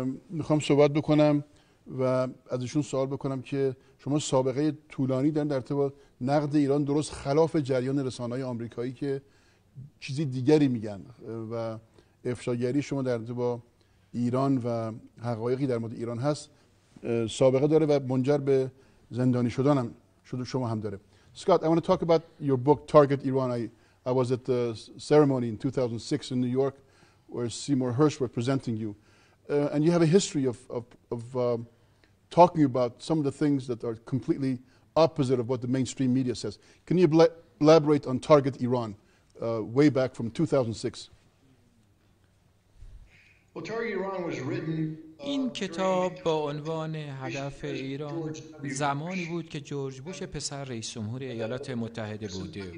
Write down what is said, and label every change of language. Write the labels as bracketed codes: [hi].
[fa] میخوام صحبت بکنم و ازشون سوال بکنم که شما سابقه طولانی دارن در ارتباط نقد ایران درست خلاف جریان رسانه‌های آمریکایی که چیزی دیگری میگن و افشاگری شما در ارتباط ایران و حقایقی در مورد ایران هست سابقه داره و منجر به زندانی شدن هم شده شما هم داره. [en] Scott, I want to talk about your book Target Iran. I was at the ceremony in 2006 in New York where Seymour Hersh were presenting you. And you have a history of talking about some of the things that are completely opposite of what the mainstream media says. Can you elaborate on Target Iran way back from 2006? Well, Target Iran was written [fa] این کتاب با عنوان هدف ایران زمانی بود که جورج بوش پسر رئیس جمهور ایالات متحده بود.